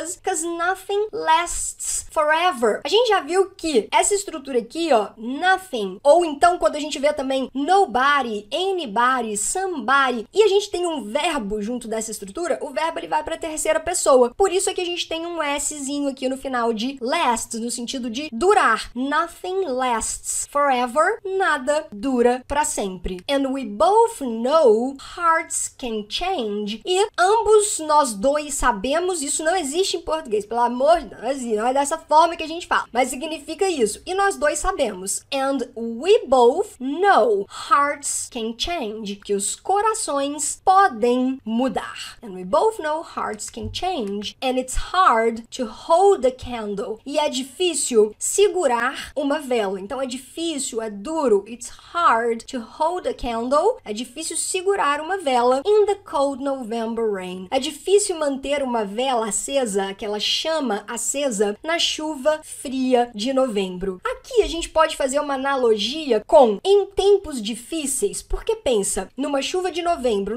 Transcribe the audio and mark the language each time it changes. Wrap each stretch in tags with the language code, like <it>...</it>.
<en>'Cause nothing lasts forever.</en> <pt>A gente já viu que essa estrutura aqui, ó, nothing, ou então quando a gente vê também nobody, anybody, somebody, e a gente tem um verbo junto dessa estrutura, o verbo ele vai pra terceira pessoa. Por isso é que a gente tem um Szinho aqui no final de lasts, no sentido de durar.</pt> <en>Nothing lasts forever.</en> <pt>Nada dura pra sempre.</pt> <en>And we both know hearts can change.</en> <pt>E ambos nós dois sabemos, isso não existe em português, pelo amor de Deus, não é dessa forma que a gente fala, mas significa isso. E nós dois sabemos.</pt> <en>And we both know hearts can change.</en> <pt>Que os corações podem mudar.</pt> <en>And we both know hearts can change. And it's hard to hold a candle.</en> <pt>E é difícil segurar uma vela. Então é difícil, é duro.</pt> <en>It's hard to hold a candle.</en> <pt>É difícil segurar uma vela</pt> <en>in the cold November rain.</en> <pt>É difícil manter uma vela acesa, aquela chama acesa, na chuva fria de novembro. Aqui a gente pode fazer uma analogia com em tempos difíceis, porque pensa, numa chuva de novembro.</pt>